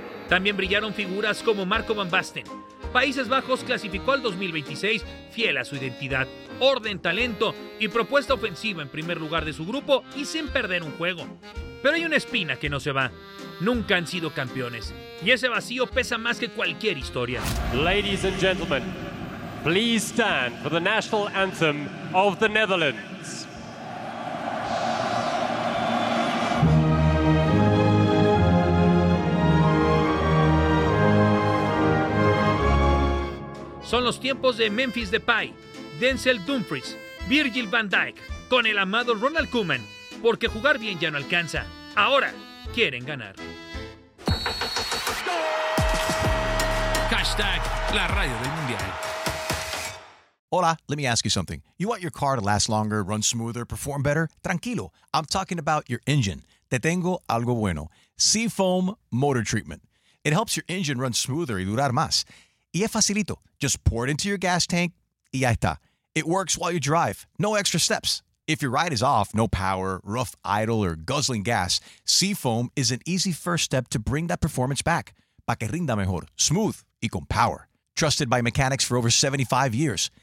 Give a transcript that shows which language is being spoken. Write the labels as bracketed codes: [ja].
[es] También brillaron figuras como Marco Van Basten. Países Bajos clasificó al 2026 fiel a su identidad, orden, talento y propuesta ofensiva en primer lugar de su grupo y sin perder un juego. Pero hay una espina que no se va. Nunca han sido campeones. Y ese vacío pesa más que cualquier historia. [en] Ladies and gentlemen, please stand for the national anthem of the Netherlands. [es] Son los tiempos de Memphis Depay, Denzel Dumfries, Virgil van Dijk, con el amado Ronald Koeman, porque jugar bien ya no alcanza. Ahora quieren ganar. Hashtag la radio del mundial. [en] Hola, let me ask you something. You want your car to last longer, run smoother, perform better? [es] Tranquilo, [en] I'm talking about your engine. [es] Te tengo algo bueno. Seafoam Motor Treatment. [en] It helps your engine run smoother [es] y durar más. Y es facilito. [en] Just pour it into your gas tank [es] y ya está. [en] It works while you drive. No extra steps. If your ride is off, no power, rough idle, or guzzling gas, Seafoam is an easy first step to bring that performance back. [es] Pa' que rinda mejor, smooth, y con power. [en] Trusted by mechanics for over 75 years.